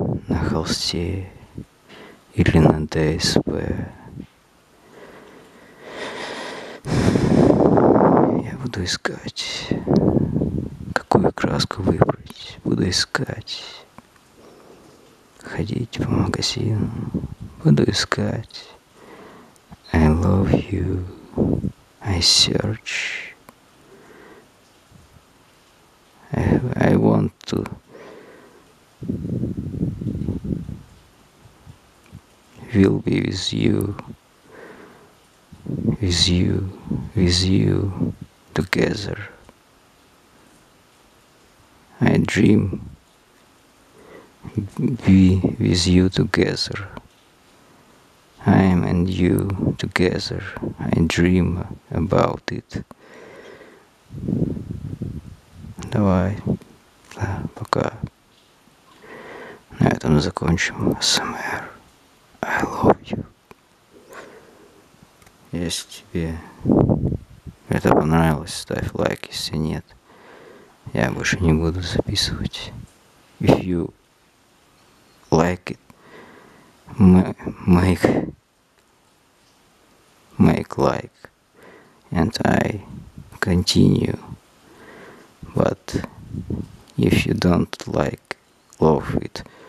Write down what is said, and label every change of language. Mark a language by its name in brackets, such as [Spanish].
[Russian] На холсте. Или на ДСП. Я буду искать, какую краску выбрать. Буду искать. Ходить по магазину. Буду искать. [English] I love you. I search. I want to. Will be with you, together. I dream be with you together. I am and you together. I dream about it. [Russian] Давай, да, пока. На этом закончим ASMR. [English] I love you. [Russian] Если тебе это понравилось, ставь лайк. Если нет, я больше не буду записывать. [English] If you like it, make like, and I continue. But if you don't like, love it.